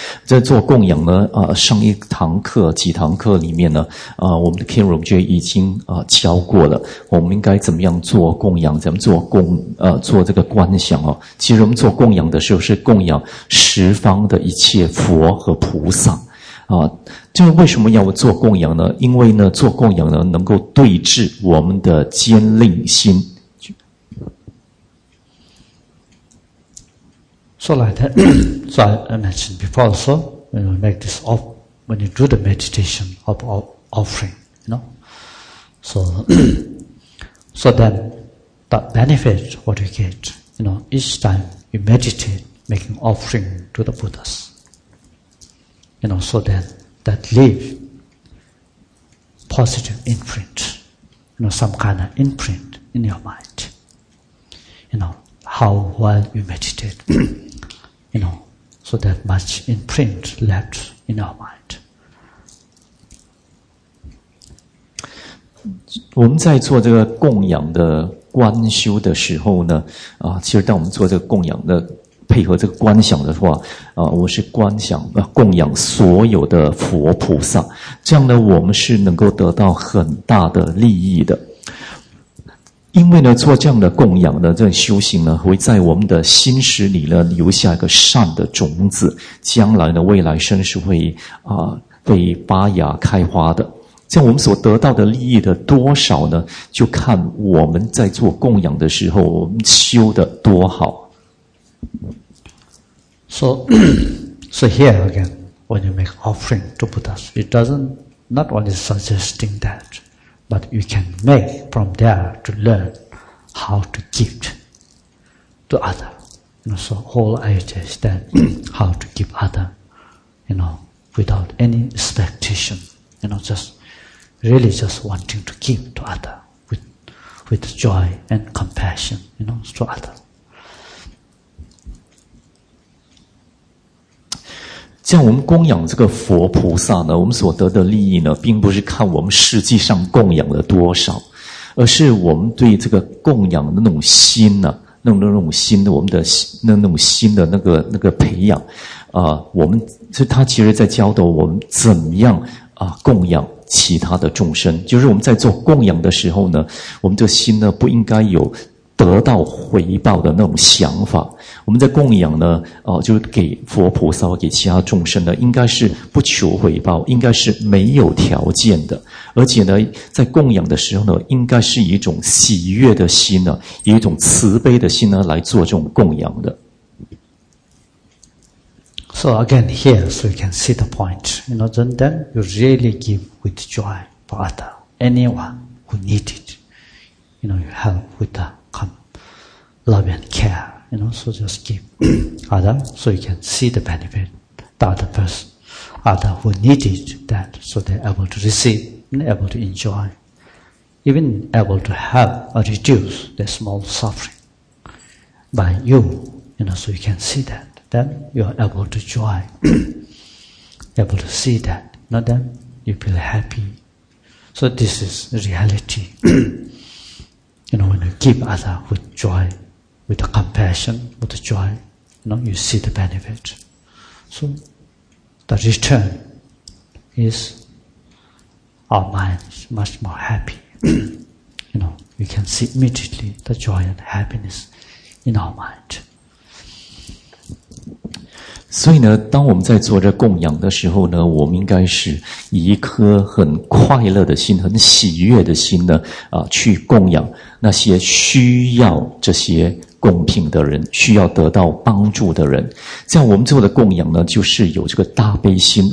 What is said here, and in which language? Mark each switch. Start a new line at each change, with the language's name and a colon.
Chinese: 在做供养呢，上一堂课、几堂课里面呢，我们的 Kingroom 就已经教过了，我们应该怎么样做供养，怎么做供，做这个观想哦。其实我们做供养的时候是供养十方的一切佛和菩萨。这为什么要做供养呢？因为呢，做供养呢，能够对治我们的坚令心。
English: So like that, so I mentioned before also, when you make this off, when you do the meditation of offering, you know. So then, the benefit what you get, you know, each time you meditate, making offering to the Buddhas. You know, so then, that leave positive imprint, you know, some kind of imprint in your mind. you know, how well we meditate, you know, so that much imprint left in our mind.
Chinese: 我们在做这个供养的观修的时候呢，啊，其实当我们做这个供养的配合这个观想的话，啊，我是观想供养所有的佛菩萨，这样呢，我们是能够得到很大的利益的。因为呢，做这样的供养的这修行呢，会在我们的心识里呢留下一个善的种子，将来呢未来生是会啊被发芽开花的。像我们所得到的利益的多少呢，就看我们在做供养的时候我们修的多好。
English: So here again, when you make offering to Buddha, it doesn't not only suggesting that. But you can make from there to learn how to give to other. You know, so whole idea is that how to give other, you know, without any expectation, you know, just really just wanting to give to other with joy and compassion, you know, to other.
Chinese: 像我们供养这个佛菩萨呢，我们所得的利益呢，并不是看我们实际上供养了多少，而是我们对这个供养的那种心呢、啊，那种心的我们的那种心的那个培养，我们是他其实在教导我们怎么样啊供养其他的众生，就是我们在做供养的时候呢，我们的心呢不应该有得到回报的那种想法。我们在供养呢，就是给佛菩萨给其他众生呢，应该是不求回报，应该是没有条件的，而且呢在供养的时候呢，应该是以一种喜悦的心呢，以一种慈悲的心呢来做这种供养的。
English: So again here, so you can see the point, you know, then you really give with joy for other, anyone who need it, you know, you help with that come love and care. You know, so just give other, so you can see the benefit, the other person, other who needed that, so they're able to receive and able to enjoy, even able to have or reduce their small suffering by you, you know, so you can see that, then you are able to joy, able to see that, not then you feel happy. So this is reality, you know, when you give other with joy,With the compassion, with the joy, you know, you see the benefit. So, the return is our mind is much more happy. You know, we can see immediately the joy and happiness in our mind.
Chinese: 所以呢，当我们在做这供养的时候呢，我们应该是以一颗很快乐的心、很喜悦的心呢，去供养那些需要这些。供品的人需要得到帮助的人，这样我们做的供养呢，就是有这个大悲心。